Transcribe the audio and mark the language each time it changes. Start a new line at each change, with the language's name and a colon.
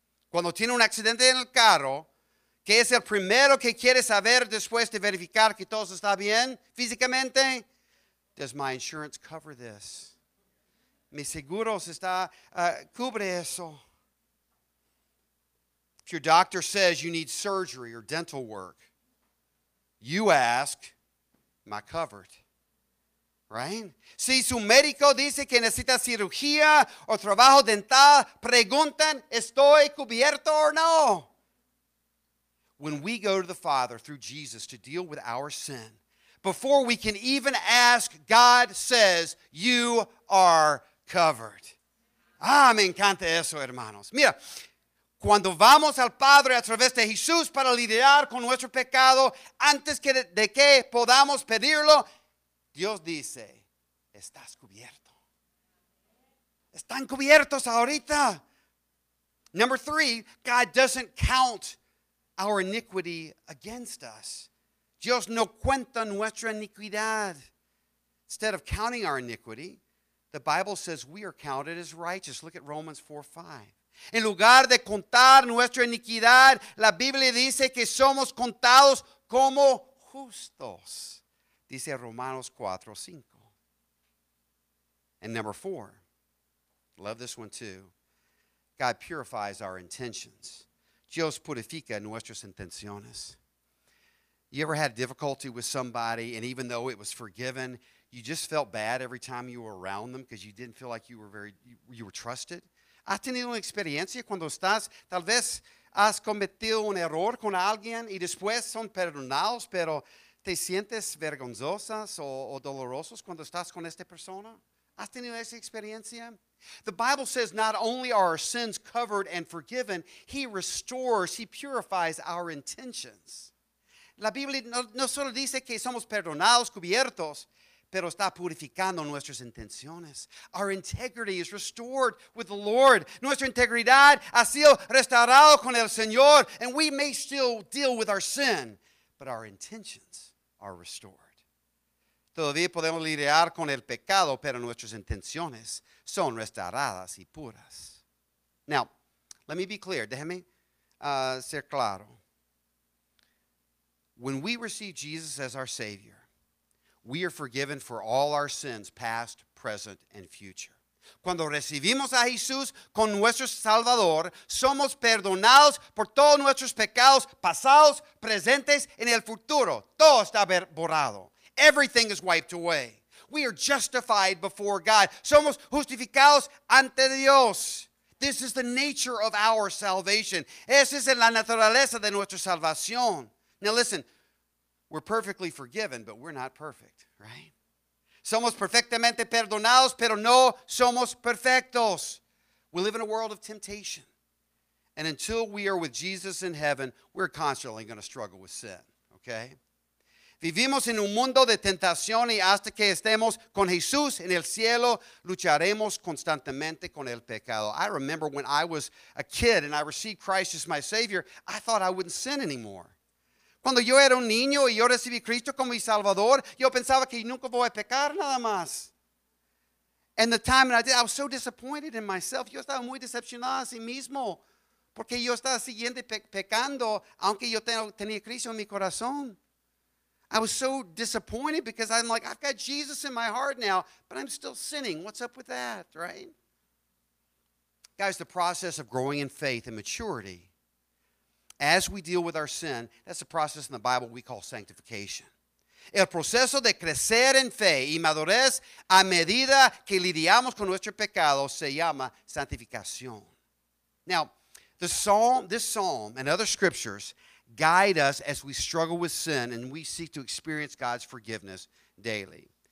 Spanish: Cuando tiene un accidente en el carro, ¿qué es el primero que quiere saber después de verificar que todo está bien físicamente?
English: Does my insurance cover this?
Spanish: ¿Mi seguro cubre eso?
English: If your doctor says you need surgery or dental work, you ask, am I covered? Right?
Spanish: Si su médico dice que necesita cirugía o trabajo dental, preguntan, ¿estoy cubierto o no?
English: When we go to the Father through Jesus to deal with our sin, before we can even ask, God says, you are covered.
Spanish: Ah, me encanta eso, hermanos. Mira, cuando vamos al Padre a través de Jesús para lidiar con nuestro pecado, antes de que podamos pedirlo, Dios dice, estás cubierto. Están cubiertos ahorita.
English: Number three, God doesn't count our iniquity against us.
Spanish: Dios no cuenta nuestra iniquidad.
English: Instead of counting our iniquity, the Bible says we are counted as righteous. Look at Romans 4:5.
Spanish: En lugar de contar nuestra iniquidad, la Biblia dice que somos contados como justos. Dice Romanos 4:5.
English: And number four, love this one too. God purifies our intentions.
Spanish: Dios purifica nuestras intenciones.
English: You ever had difficulty with somebody, and even though it was forgiven, you just felt bad every time you were around them because you didn't feel like you were trusted?
Spanish: ¿Has tenido una experiencia cuando estás, tal vez has cometido un error con alguien y después son perdonados, pero te sientes vergonzosas o dolorosos cuando estás con esta persona? ¿Has tenido esa experiencia?
English: The Bible says not only are our sins covered and forgiven, He restores, He purifies our intentions.
Spanish: La Biblia no solo dice que somos perdonados, cubiertos, pero está purificando nuestras intenciones.
English: Our integrity is restored with the Lord.
Spanish: Nuestra integridad ha sido restaurada con el Señor.
English: And we may still deal with our sin, but our intentions are restored.
Spanish: Todavía podemos lidiar con el pecado, pero nuestras intenciones son restauradas y puras.
English: Now, let me be clear.
Spanish: Déjeme ser claro.
English: When we receive Jesus as our Savior, we are forgiven for all our sins, past, present, and future.
Spanish: Cuando recibimos a Jesús con nuestro Salvador, somos perdonados por todos nuestros pecados pasados, presentes, y en el futuro. Todo está borrado.
English: Everything is wiped away. We are justified before God.
Spanish: Somos justificados ante Dios.
English: This is the nature of our salvation.
Spanish: Esa es la naturaleza de nuestra salvación.
English: Now listen, we're perfectly forgiven, but we're not perfect, right?
Spanish: Somos perfectamente perdonados, pero no somos perfectos.
English: We live in a world of temptation. And until we are with Jesus in heaven, we're constantly going to struggle with sin, okay?
Spanish: Vivimos en un mundo de tentación y hasta que estemos con Jesús en el cielo, lucharemos constantemente con el pecado.
English: I remember when I was a kid and I received Christ as my Savior, I thought I wouldn't sin anymore.
Spanish: Cuando yo era un niño y yo recibí a Cristo como mi Salvador, yo pensaba que nunca voy a pecar nada más.
English: And the time that I did, I was so disappointed in myself.
Spanish: Yo estaba muy decepcionado a sí mismo. Porque yo estaba siguiendo pecando, aunque yo tenía Cristo en mi corazón.
English: I was so disappointed because I'm like, I've got Jesus in my heart now, but I'm still sinning. What's up with that, right? Guys, the process of growing in faith and maturity, as we deal with our sin, that's a process in the Bible we call sanctification.
Spanish: El proceso de crecer en fe y madurez a medida que lidiamos con nuestro pecado se llama santificación.
English: Now, this psalm and other scriptures guide us as we struggle with sin and we seek to experience God's forgiveness daily.